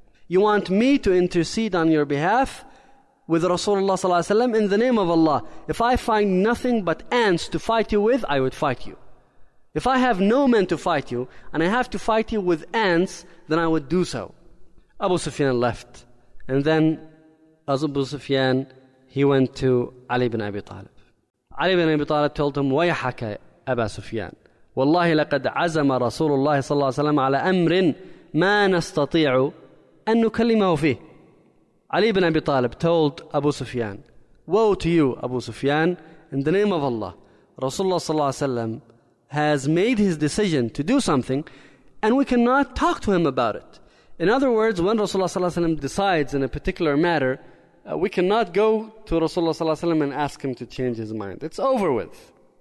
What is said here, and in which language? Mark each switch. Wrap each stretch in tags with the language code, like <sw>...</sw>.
<en>You want me to intercede on your behalf with Rasulullah sallallahu alayhi wa sallam, in the name of Allah, if I find nothing but ants to fight you with, I would fight you. If I have no men to fight you, and I have to fight you with ants, then I would do so. Abu Sufyan left, And then Abu Sufyan, he went to Ali ibn Abi Talib. Ali ibn Abi Talib told him,</en> <ar>وَيَحَكَ أَبَا سُفْيَانَ والله لقد عزم رسول الله صلى الله عليه وسلم على أمر ما نستطيع أن نكلمه فيه.</ar> <en>علي بن أبي طالب told أبو سفيان, woe to you أبو سفيان, in the name of Allah, رسول الله صلى الله عليه وسلم has made his decision to do something and we cannot talk to him about it. In other words, when رسول الله صلى الله عليه وسلم decides in a particular matter, we cannot go to رسول الله صلى الله عليه وسلم and ask him to change his mind. It's over with.</en>